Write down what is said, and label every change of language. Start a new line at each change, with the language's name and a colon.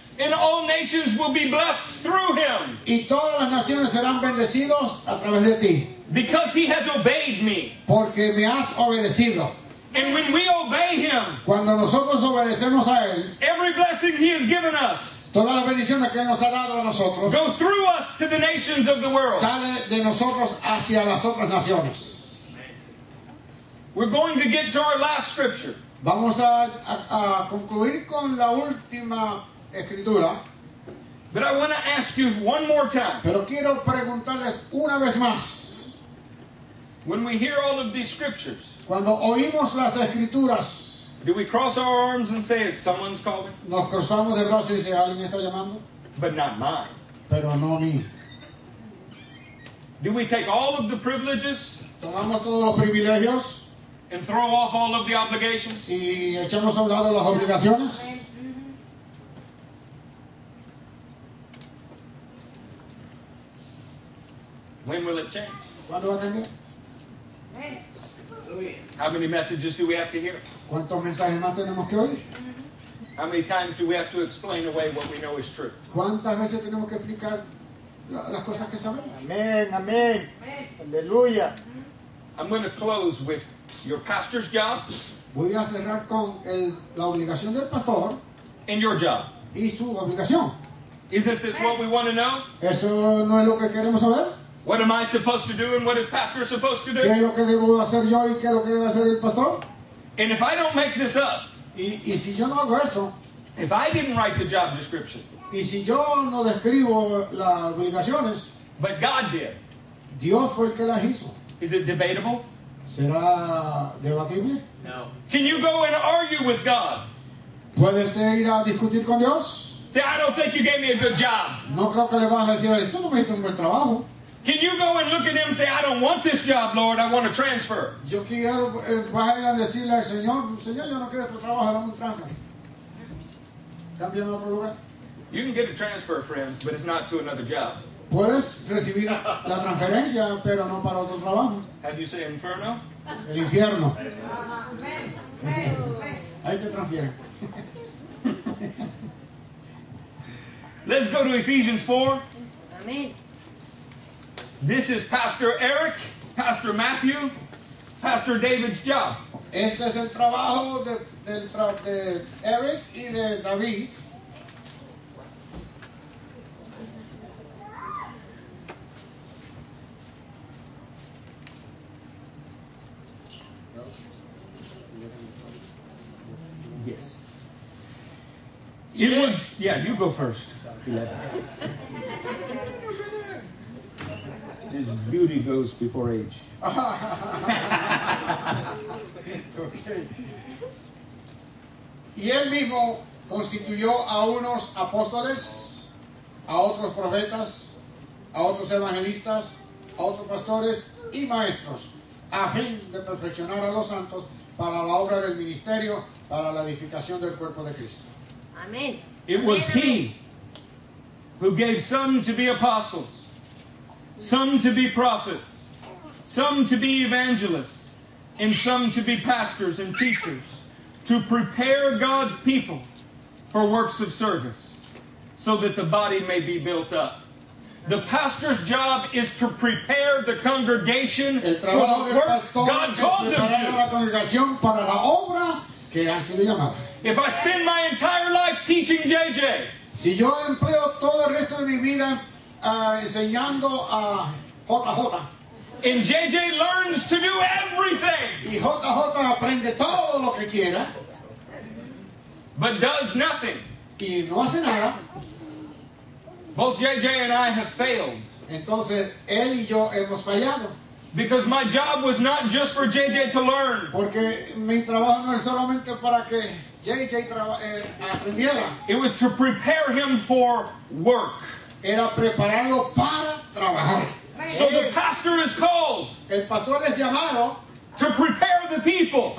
English: And all nations will be blessed through him.
Spanish: Y todas las naciones serán bendecidos a través de ti.
English: Because he has obeyed me.
Spanish: Porque me has obedecido.
English: And when we obey him.
Spanish: Cuando nosotros obedecemos a él.
English: Every blessing he has given us.
Spanish: Todas las bendiciones que él nos ha dado a nosotros.
English: Go through us to the nations of the world.
Spanish: Sale de nosotros hacia las otras naciones.
English: We're going to get to our last scripture.
Spanish: Vamos a concluir con la última escritura.
English: But I want to ask you one more time.
Spanish: Pero quiero preguntarles una vez más.
English: When we hear all of these scriptures,
Spanish: cuando oímos las escrituras,
English: do we cross our arms and say it's someone's calling?
Spanish: Nos cruzamos de brazos y dice, ¿alguien está llamando?
English: But not mine.
Spanish: Pero no mí.
English: Do we take all of the privileges?
Spanish: Tomamos todos los privilegios.
English: And throw off all of the obligations?
Spanish: Y echamos a un lado las obligaciones.
English: When will it change?
Spanish: ¿Cuándo va a cambiar?
English: How many messages do we have to hear?
Spanish: ¿Cuántos mensajes más tenemos que oír?
English: How many times do we have to explain away what we know is true?
Spanish: ¿Cuántas veces tenemos que explicar las cosas que sabemos? Amén, amén. Aleluya.
English: I'm going to close with your pastor's job.
Spanish: Voy a cerrar con la obligación del pastor.
English: And your job.
Spanish: Y su obligación.
English: Isn't this what we want to know?
Spanish: ¿Eso no es lo que queremos saber?
English: What am I supposed to do and what is pastor supposed to do?
Spanish: ¿Qué es lo que debo hacer yo y qué es lo que debe hacer el pastor?
English: And if I don't make this up,
Spanish: y si yo no hago esto,
English: if I didn't write the job description,
Spanish: y si yo no describo las obligaciones,
English: but God did,
Spanish: Dios fue el que las hizo.
English: Is it debatable?
Spanish: ¿Será debatible?
English: No. Can you go and argue with God?
Spanish: ¿Puede usted ir a discutir con Dios?
English: Say, I don't think you gave me a good job.
Spanish: No creo que le vas a decir, tú no me hiciste un buen trabajo.
English: Can you go and look at him and say, I don't want this job, Lord, I want to transfer?
Spanish: Yo quiero bajar a decirle al Señor, yo no quiero este trabajo, dame un transfer. Cámbiame a otro lugar.
English: You can get a transfer, friends, but it's not to another job.
Spanish: Puedes recibir la transferencia, pero no para otro trabajo.
English: Have you said inferno?
Spanish: El infierno.
English: Amen.
Spanish: Ahí te transfieren.
English: Let's go to Ephesians 4. Amen. This is Pastor Eric, Pastor Matthew, Pastor David's job.
Spanish: Este es el trabajo de Eric y de David.
English: Yes. It was, yeah, you go first. His beauty goes before age.
Spanish: Okay. Y él mismo constituyó a unos apóstoles, a otros profetas, a otros evangelistas, a otros pastores y maestros, a fin de perfeccionar a los santos para la obra del ministerio, para la edificación del cuerpo de Cristo. Amén.
English: It was he who gave some to be apostles, some to be prophets, some to be evangelists, and some to be pastors and teachers, to prepare God's people for works of service, so that the body may be built up. The pastor's job is to prepare the congregation for the work God called them to. If I spend my entire life teaching JJ,
Spanish: si yo empleo todo el resto de mi vida enseñando a JJ,
English: and JJ learns to do everything,
Spanish: y JJ aprende todo lo que quiera,
English: but does nothing,
Spanish: y no hace nada,
English: both JJ and I have failed.
Spanish: Entonces, él y yo hemos fallado.
English: Because my job was not just for JJ to learn.
Spanish: Porque mi trabajo no es solamente para que JJ aprendiera.
English: It was to prepare him for work.
Spanish: Era prepararlo para trabajar.
English: So the pastor is called.
Spanish: El pastor es llamado.
English: To prepare the people.